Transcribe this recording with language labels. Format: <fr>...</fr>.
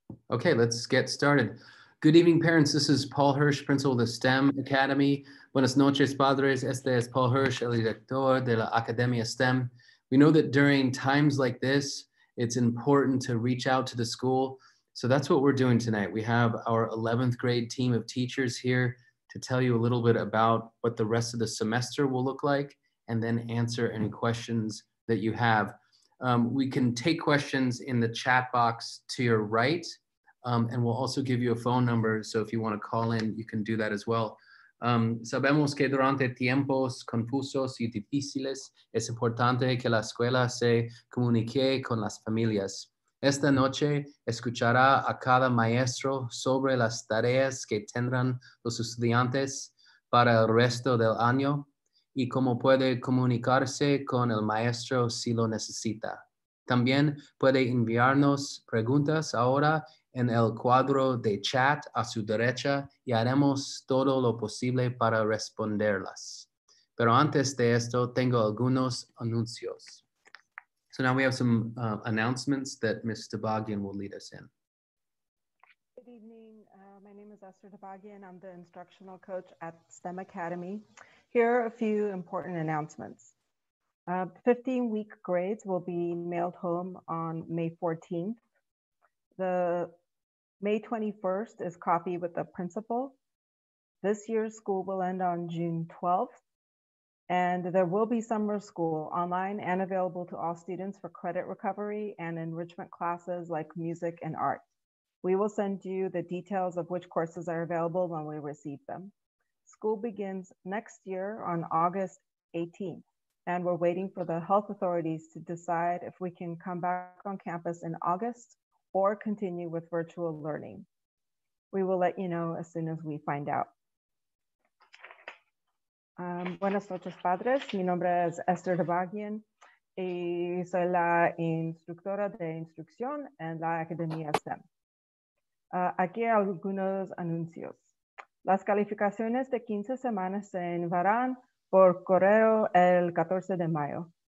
<en>Okay, let's get started. Good evening, parents. This is Paul Hirsch, principal of the STEM Academy.</en> <es>Buenas noches, padres. Este es Paul Hirsch, el director de la Academia STEM.</es> <en>We know that during times like this, it's important to reach out to the school. So that's what we're doing tonight. We have our 11th grade team of teachers here to tell you a little bit about what the rest of the semester will look like and then answer any questions that you have. We can take questions in the chat box to your right. And we'll also give you a phone number. So if you want to call in, you can do that as well.</en> <es>Sabemos que durante tiempos confusos y difíciles es importante que la escuela se comunique con las familias. Esta noche escuchará a cada maestro sobre las tareas que tendrán los estudiantes para el resto del año y cómo puede comunicarse con el maestro si lo necesita. También puede enviarnos preguntas ahora en el cuadro de chat a su derecha y haremos todo lo posible para responderlas. Pero antes de esto, tengo algunos anuncios.</es> <en>So now we have some announcements that Ms. Tabagian will lead us in. Good evening. My name is Esther Tabagian. I'm the instructional coach at STEM Academy. Here are a few important announcements. 15-week grades will be mailed home on May 14th. The May 21st is coffee with the principal. This year's school will end on June 12th, and there will be summer school online and available to all students for credit recovery and enrichment classes like music and art. We will send you the details of which courses are available when we receive them. School begins next year on August 18th, and we're waiting for the health authorities to decide if we can come back on campus in August or continue with virtual learning. We will let you know as soon as we find out.</en> <es>Buenas noches, padres. Mi nombre es Esther Tabagian, y soy la instructora de instrucción en la Academia STEM. Aquí algunos anuncios. Las calificaciones de 15 semanas se enviarán por correo el 14 de mayo.</es>